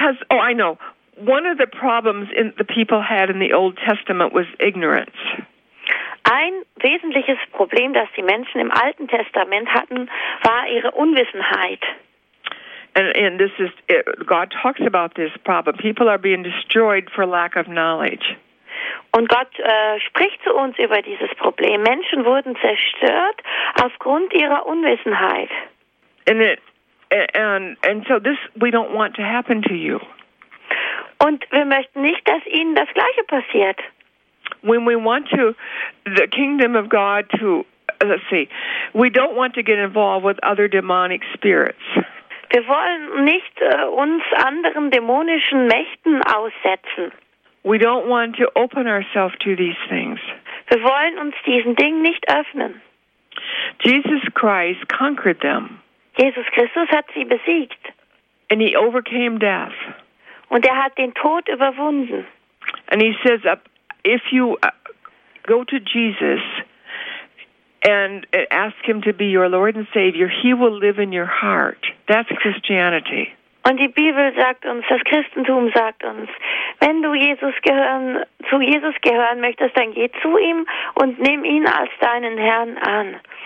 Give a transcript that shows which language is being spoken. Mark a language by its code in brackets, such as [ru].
[en] I know. One of the problems the people had in the Old Testament was ignorance. [de] Ein wesentliches Problem, das die Menschen im Alten Testament hatten, war ihre Unwissenheit. [en] And this is God talks about this problem. People are being destroyed for lack of knowledge. [de] Und Gott spricht zu uns über dieses Problem. Menschen wurden zerstört aufgrund ihrer Unwissenheit. [en] And so this we don't want to happen to you. [de] Und wir möchten nicht, dass Ihnen das Gleiche passiert. [en] When we want to, the kingdom of God to, let's see, we don't want to get involved with other demonic spirits. [de] Wir wollen nicht uns anderen dämonischen Mächten aussetzen. [en] We don't want to open ourselves to these things. [de] Wir wollen uns diesen Dingen nicht öffnen. [en] Jesus Christ conquered them. [de] Jesus Christus hat sie besiegt. [en] And he overcame death. [de] Und er hat den Tod überwunden. [en] And he says, if you go to Jesus and ask him to be your Lord and Savior, he will live in your heart. That's Christianity. [de] Und die Bibel sagt uns, das Christentum sagt uns, wenn du zu Jesus gehören möchtest, dann geh zu ihm und nimm ihn als deinen Herrn an.